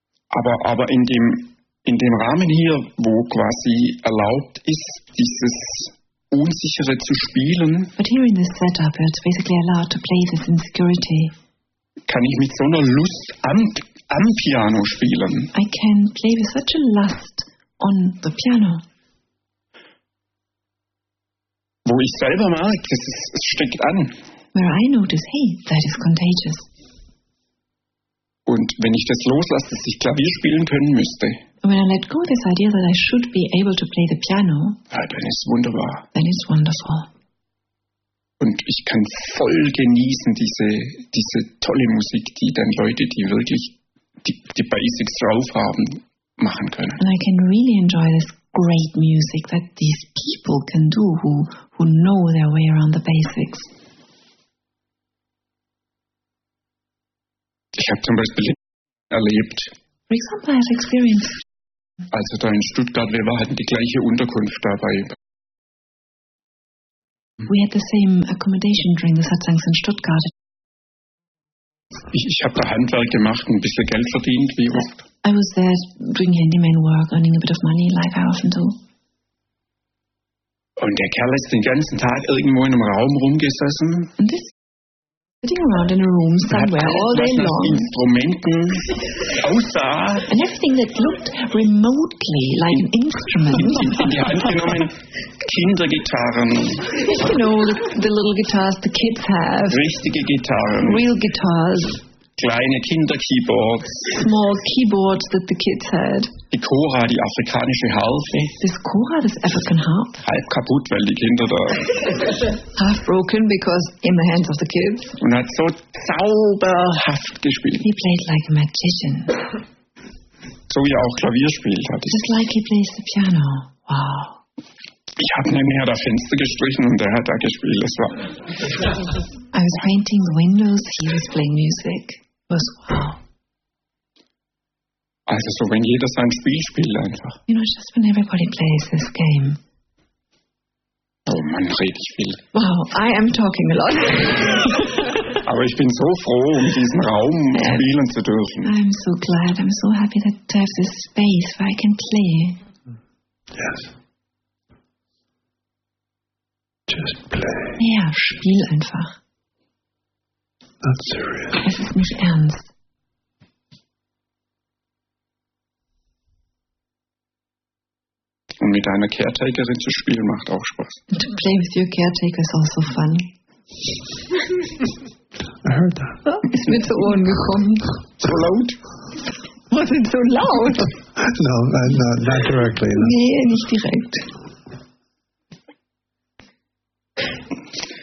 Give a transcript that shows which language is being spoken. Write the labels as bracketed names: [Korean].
[German] Aber in dem Rahmen hier, wo quasi erlaubt ist, dieses Unsichere zu spielen. [English] But here in this setup, it's basically allowed to play this insecurity. [German] Kann ich mit so einer Lust am Piano spielen? [English] I can play with such a lust on the piano. [German] Wo ich selber merke, es steckt an. [English] Where I notice, hey, that is contagious. [German] Und wenn ich das loslasse, dass ich Klavier spielen können müsste. [English] When I let go this idea that I should be able to play the piano. [German] Ja, dann ist wunderbar. [English] Then it's wonderful. [German] Und ich kann voll genießen diese tolle Musik, die dann Leute, die wirklich die Basics drauf haben, machen können. [English] And I can really enjoy this great music that these people can do, who know their way around the basics. [German] Ich habe zum Beispiel erlebt. [English] For example, I've experienced. [German] Also da in Stuttgart, wir hatten die gleiche Unterkunft dabei. [English] We had the same accommodation during the satsangs in Stuttgart. [German] Ich habe da Handwerk gemacht, ein bisschen Geld verdient, wie oft. [English] I was there doing handyman work, earning a bit of money, like I often do. [German] Und der Kerl ist den ganzen Tag irgendwo in einem Raum rumgesessen. [English] And this sitting around in a room somewhere all day long. [German] Was Instrumenten aussah. [English] And everything that looked remotely like an instrument. [German] In die Hand genommen, Kindergitarren. [English] You know, the little guitars the kids have. [German] Richtige Gitarren. [English] Real guitars. [German] Kleine Kinderkeyboards. [English] Small keyboards that the kids had. [German] Die Kora, die afrikanische Harfe. [English] This Kora, this African harp. [German] Halb kaputt, weil die Kinder da. [English] Half broken because in the hands of the kids. [German] Und hat so zauberhaft gespielt. [English] He played like a magician. [German] So so wie er auch Klavier spielt. Hat. [English] Just like he plays the piano. Wow. [German] Ich habe nebenher das Fenster gestrichen und er hat da gespielt. Das war. [English] I was painting the windows, he was playing music. It was wow. [German] Also so, wenn jeder sein Spiel spielt einfach. [English] You know, just when everybody plays this game. [German] Oh Mann, rede ich viel. [English] Wow, I am talking a lot. [German] Aber ich bin so froh, um diesen Raum spielen zu dürfen. [English] I'm so glad, I'm so happy that to have this space where I can play. Yes. Just play. [German] Ja, spiel einfach. [English] Not serious. [German] Es ist nicht ernst. Und mit deiner Caretakerin zu spielen macht auch Spaß. [English] And to play with your caretaker is also fun. I heard that. [German] Ist mir zu Ohren gekommen. So laut? Was ist so laut? [English] No, no, not directly. No. [German] Nee, nicht direkt.